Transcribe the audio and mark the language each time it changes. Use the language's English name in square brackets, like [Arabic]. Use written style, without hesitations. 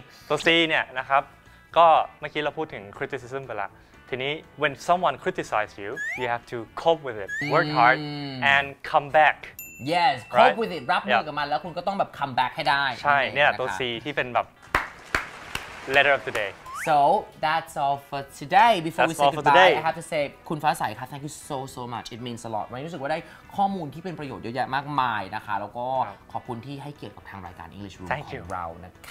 [Thai] ๆตัว C เนี่ยนะครับก็เมื่อกี้เราพูดถึง criticism ไปละทีนี้ [English] when someone criticize you have to cope with it work hard and come back yes cope right? [Thai] with it รับมือกับมันแล้วคุณก็ต้องแบบ come back ให้ได้ ใช่เนี่ยตัว C ที่เป็นแบบ letter of the day [English] so that's all for today before that's we say goodbye today. I have to say [Thai] คุณฟ้าใสค่ะ [English] thank you so much it means a lot [Thai] รู้สึกว่าได้ข้อมูลที่เป็นประโยชน์เยอะแยะมากมายนะคะแล้วก็ขอบคุณที่ให้เกียรติกับทางรายการ English Room ของเรานะคะ